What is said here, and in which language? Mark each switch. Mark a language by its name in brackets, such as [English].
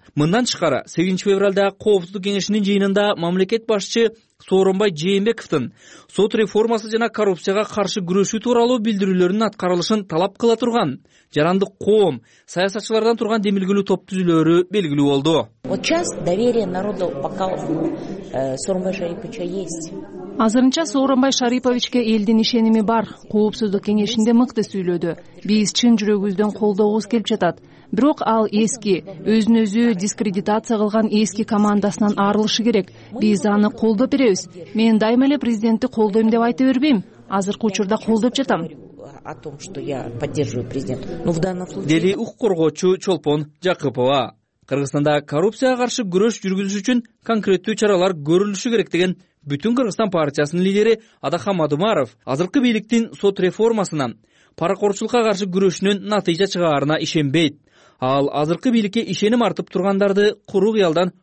[Kyrgyz] Мындан тышкары 8 февралда коопсуздук кеңешинин жыйынында мамлекет башчы Сооронбай Жээнбековдун сот реформасы жана коррупцияга каршы күрөшүү тууралуу билдирүүлөрүнүн аткарылышын талап кыла турган жарандык коом саясатчылардан турган демилгелүү топ түзүлөөрү белгилүү болду. [Russian] Вот сейчас доверие народа Бакалов Сооронбай Шариповичке есть. [Kyrgyz] Азырынча Сооронбай Шариповичке элдин ишеними бар. Коопсуздук кеңешинде мыкты сүйлөдү. Биз чын жүрөгүбүздөн колдообуз келип жатат. Бирок ал эски, өзүн өзү дискредитация кылган эски командасынан арылышы керек. Биз аны колдоп беребиз. Мен дайыма эле президентти колдойм деп айта бербейм. Азыркы учурда колдоп жатам. [Russian] О том, что я поддерживаю президента. Но в данном случае [Kyrgyz] дели укук коргоочу Чолпон Жакыпова. Кыргызстанда коррупцияга каршы күрөш жүргүзүш үчүн конкреттүү чаралар көрүлүшү керек деген бүтүн Кыргызстан партиясынын лидери Адахан Мадумаров азыркы бийликтин сот реформасынан паракорчулукка каршы күрөшүнүн натыйжа чыгаарына ишенбейт. Ал азыркы бийликке ишеним артып тургандарды куру кыялдан